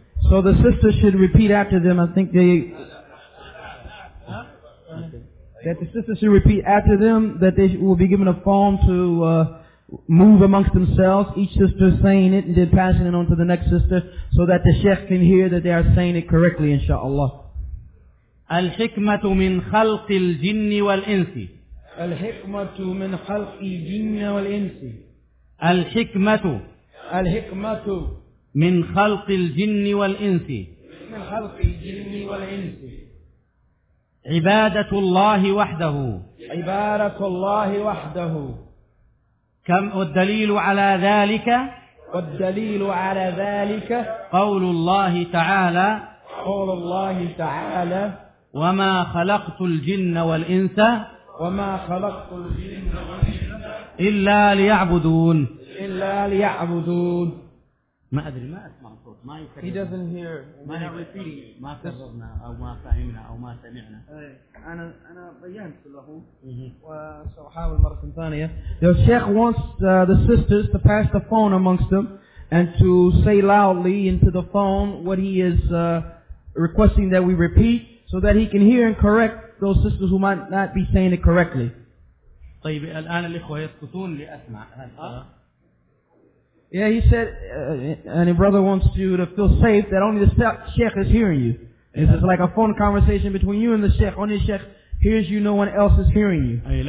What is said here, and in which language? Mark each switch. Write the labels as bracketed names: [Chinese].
[English] So the sister should repeat after them. I think they that the sister should repeat after them that they will be given a form to move amongst themselves. Each sister saying it and then passing it on to the next sister so that the sheikh can hear that they are saying it correctly, inshallah. [Arabic] الحكمة من خلق الجن والإنس. الحكمة من خلق الجن والإنس. الحكمة. الحكمة. من خلق الجن والإنس من خلق الجن والإنس عبادة الله وحده عبادة الله وحده كم والدليل على ذلك والدليل على ذلك قول الله تعالى قول الله تعالى وما خلقت الجن والإنس وما خلقت الجن والإنس إلا ليعبدون إلا ليعبدون. ما أدري ما أسمع صوت ما يسمع. [English] He doesn't hear. [Arabic] ما نعرفه. ما قررنا أو ما فهمنا أو ما سمعنا. إيه أنا بيانت له. وسأحاول مرة ثانية. [English] The Sheikh wants the sisters to pass the phone amongst them and to say loudly into the phone what he is requesting that we repeat so that he can hear and correct those sisters who might not be saying it correctly. [Arabic] طيب الآن الإخوة يسكتون لأسمع. [English] Yeah, he said, and his brother wants you to feel safe that only the sheikh is hearing you. This is like a phone conversation between you and the sheikh. Only the sheikh hears you, no one else is hearing you.